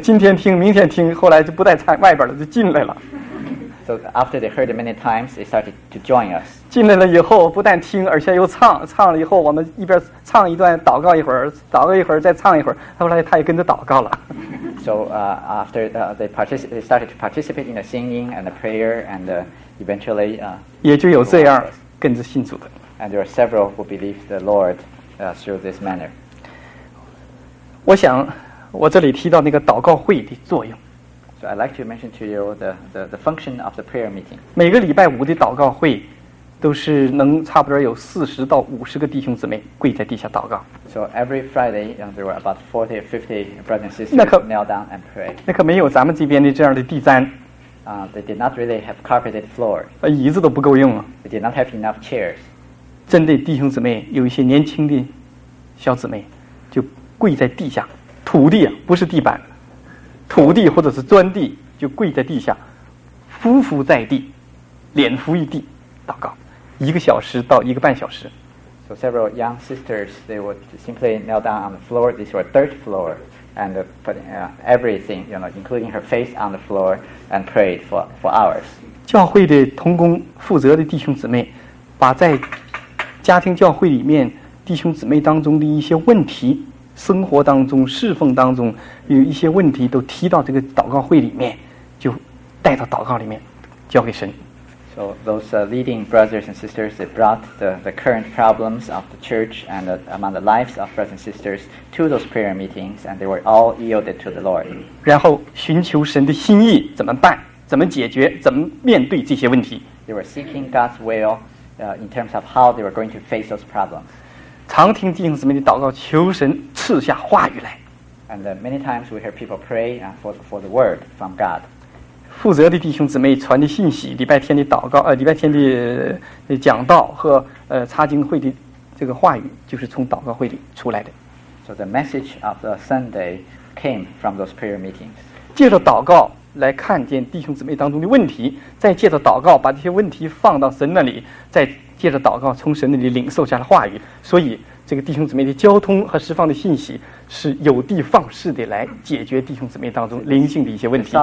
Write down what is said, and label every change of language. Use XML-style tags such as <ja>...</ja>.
<zh>今天听，明天听，后来就不再在外边了，就进来了。</zh> <en>So after they heard it many times, they started to join us.</en> <zh>进来了以后，不但听，而且又唱。唱了以后，我们一边唱一段，祷告一会儿，祷告一会儿，再唱一会儿。后来他也跟着祷告了。</zh> <en>So after they started to participate in the singing and the prayer, and eventually,</en> <zh>也就有这样跟着信主的。</zh> <en>And there are several who believe the Lord through this manner.</en> <zh>我想，我这里提到那个祷告会的作用。</zh> <en>So I'd like to mention to you the function of the prayer meeting.</en> <zh>每个礼拜五的祷告会都是能差不多有40到50个弟兄姊妹跪在地下祷告。</zh> <en>So every Friday, there were about 40 or 50 brothers and sisters knelt down and prayed.</en> <zh>那可没有咱们这边的这样的地毡。</zh> <en>They did not really have carpeted floor.</en> <zh>椅子都不够用了。</zh> <en>They did not have enough chairs.</en> <zh>针对弟兄姊妹，有一些年轻的小姊妹就跪在地下，土地啊，不是地板。土地或者是砖地就跪在地下匍匐在地脸伏于地祷告一个小时到一个半小时</zh> <en>So several young sisters they would simply knelt down on the floor this was dirt floor and everything you know, including her face on the floor and prayed for hours</en> <zh>教会的同工负责的弟兄姊妹把在家庭教会里面弟兄姊妹当中的一些问题生活当中侍奉当中有一些问题都提到这个祷告会里面就带到祷告里面交给神</zh> <en>So those leading brothers and sisters they brought the current problems of the church and among the lives of brothers and sisters to those prayer meetings and they were all yielded to the Lord</en> <zh>然后寻求神的心意怎么办怎么解决怎么面对这些问题</zh> <en>They were seeking God's will in terms of how they were going to face those problems</en> <zh>常听弟兄姊妹的祷告求神赐下话语来</zh> <en>and many times we hear people pray for the word from God</en> <zh>负责的弟兄姊妹传的信息礼拜天的祷告礼拜天的讲道和查经会的这个话语就是从祷告会里出来的</zh> <en>so the message of the Sunday came from those prayer meetings</en> <zh>借着祷告来看见弟兄姊妹当中的问题再借着祷告把这些问题放到神那里再借着祷告从神那里领受下了话语所以这个弟兄姊妹的交通和释放的信息是有的放矢的来解决弟兄姊妹当中灵性的一些问题</zh>